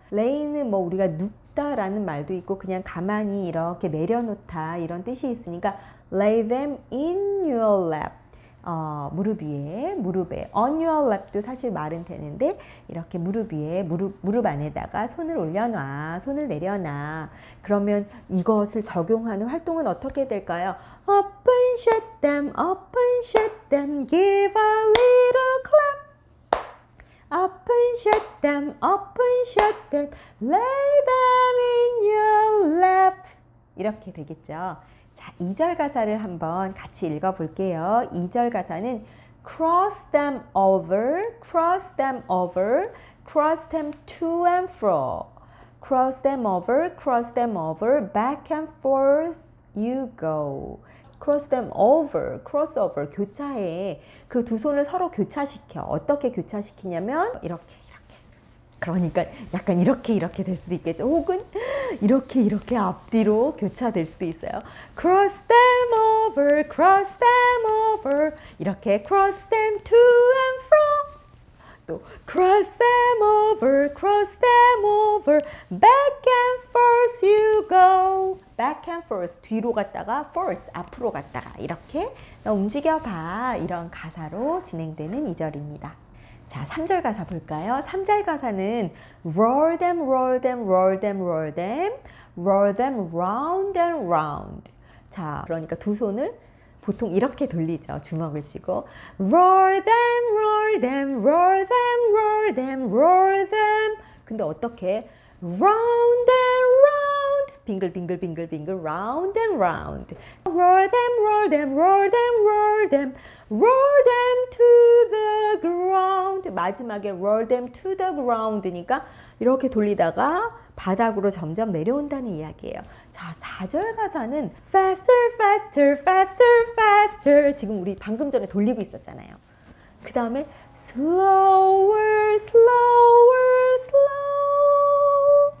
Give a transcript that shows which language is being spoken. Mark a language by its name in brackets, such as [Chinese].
[Korean] Lay는 뭐 우리가 라는 말도 있고 그냥 가만히 이렇게 내려놓다 이런 뜻이 있으니까 [English] lay them in your lap [Korean] 무릎 위에 무릎에 [English] on your lap [Korean] 도 사실 말은 되는데 이렇게 무릎 위에 무릎 안에다가 손을 올려놔 손을 내려놔 그러면 이것을 적용하는 활동은 어떻게 될까요? [English] Open shut them, open shut them, give a little clap. Open shut them, open shut them, lay them in your lap. [Korean] 이렇게 되겠죠. 자, 2절 가사를 한번 같이 읽어볼게요. 2절 가사는 [English] cross them over, cross them over, cross them to and fro. Cross them over, cross them over, back and forth you go. Cross them over, cross over, [Korean] 교차해. 그 두 손을 서로 교차시켜. 어떻게 교차시키냐면 이렇게 이렇게. 그러니까 약간 이렇게 이렇게 될 수도 있겠죠. 혹은 이렇게 이렇게 앞뒤로 교차될 수도 있어요. [English] Cross them over, cross them over. [Korean] 이렇게 [English] cross them to and fro. [Korean] 또 [English] cross them over, cross them over. Back and forth you go. Back and forth, [Korean] 뒤로 갔다가 forth, 앞으로 갔다가 이렇게 너 움직여봐 이런 가사로 진행되는 2절입니다. 자, 3절 가사 볼까요? 3절 가사는 [English] roll them, roll them, roll them, roll them, roll them round and round. [Korean] 자, 그러니까 두 손을 보통 이렇게 돌리죠. 주먹을 쥐고 [English] roll them, roll them, roll them, roll them, roll them. [Korean] 근데 어떻게 [English] round and round [Korean] 빙글 빙글 빙글 빙글 round and round. [English] Roll them, roll them, roll them, roll them, roll them to the ground. [Korean] 마지막에 [English] roll them to the ground [Korean] 니까 이렇게 돌리다가 바닥으로 점점 내려온다는 이야기예요. 자, 4절 가사는 [English] faster, faster, faster, faster. [Korean] 지금 우리 방금 전에 돌리고 있었잖아요. 그 다음에 [English] slower, slower, slower.